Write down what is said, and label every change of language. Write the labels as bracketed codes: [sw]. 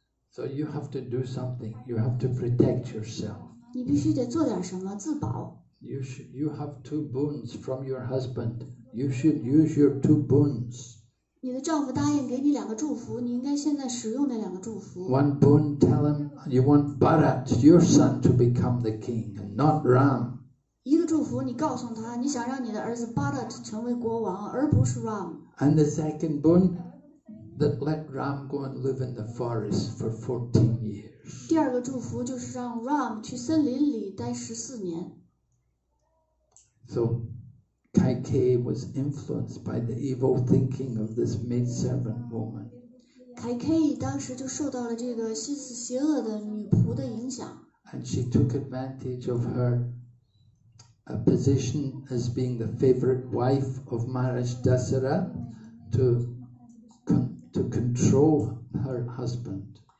[en] So you have to do something. You have to protect yourself. [zh] 你必须得做点什么自保。 [en] You have two boons from your husband. You should use your two boons. [zh] 你的丈夫答应给你两个祝福，你应该现在使用那两个祝福。 [en] One boon, tell him you want Bharat, your son, to become the king, and not Ram. [zh] 一个祝福，你告诉他你想让你的儿子 Bharat 成为国王，而不是 Ram. [en] And the second boon, that let Ram go and live in the forest for 14 years. [zh] 第二个祝福就是让 Ram 去森林里待14年。 [en] So, Kaikei was influenced by the evil thinking of this maidservant woman. [zh] Kaikei 当时就受到了这个心思邪恶的女仆的影响。 [en] And she took advantage of her a position as being the favorite wife of Maharaj Dasara to control her husband.